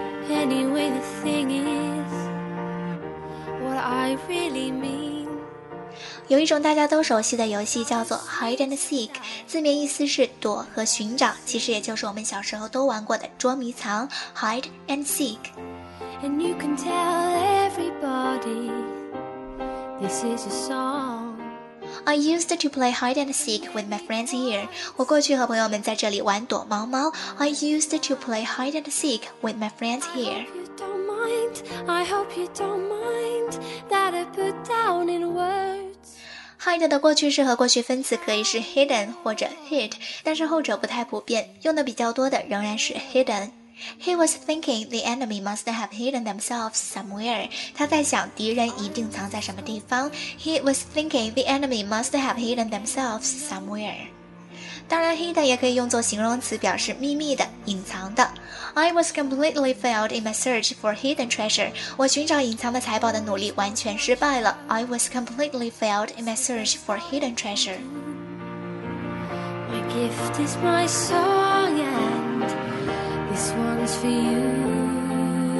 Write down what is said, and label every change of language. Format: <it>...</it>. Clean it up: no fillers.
<en>Anyway, the thing is, what I really mean.</en> <zh>有一种大家都熟悉的游戏叫做 Hide and Seek, 字面意思是躲和寻找，其实也就是我们小时候都玩过的捉迷藏 Hide and Seek.</zh> <en>And you can tell everybody, this is a song. I used to play Hide and Seek with my friends here.</en> <zh>我过去和朋友们在这里玩躲猫猫。</zh> <en>I used to play Hide and Seek with my friends here. I hope you don't mind that I put down in words.</en> <zh>Hide 的过去式和过去分词可以是 hidden 或者 hid, 但是后者不太普遍，用的比较多的仍然是 hidden.</zh> <en>He was thinking the enemy must have hidden themselves somewhere.</en> <zh>他在想敌人一定藏在什么地方。</zh> <en>He was thinking the enemy must have hidden themselves somewhere.</en> <zh>当然 hidden 也可以用作形容词，表示秘密的、隐藏的。</zh> <en>I was completely failed in my search for hidden treasure.</en> <zh>我寻找隐藏的财宝的努力完全失败了。</zh> <en>I was completely failed in my search for hidden treasure. My gift is my song and this one's for you.</en>